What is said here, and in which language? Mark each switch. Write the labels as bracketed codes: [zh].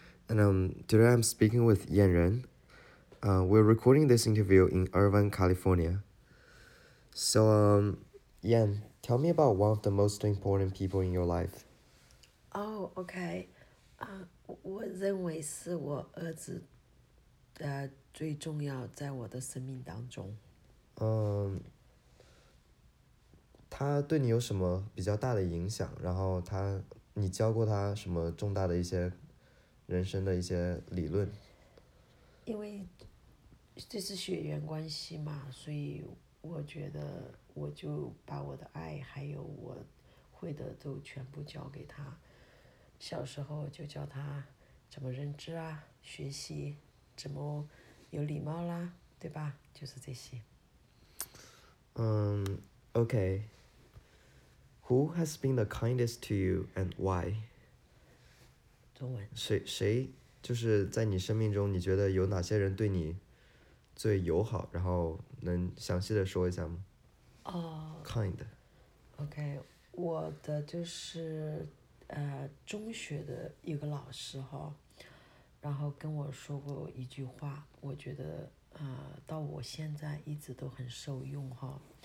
[en] And today I'm speaking with Yan Ren. We're recording this interview in Irvine, California. So, Yan, tell me about one of the most important people in your life. Oh, okay. [zh] 我认为是我儿子的最重要在我的生命当中。他对你有什么比较大的影响？然后他，你教过他什么重大的一些人生的一些理论？因为这是血缘关系嘛，所以我觉得我就把我的爱还有我会的都全部交给他。小时候就教他怎么认知啊，学习，怎么有礼貌啦，对吧？就是这些。 [en] Okay. Who has been the kindest to you and why? [zh] 中文。谁就是在你生命中，你觉得有哪些人对你最友好？然后能详细的说一下吗？ [en] Kind. Okay. [zh] 我的就是中学的一个老师哈，然后跟我说过一句话，我觉得到我现在一直都很受用哈。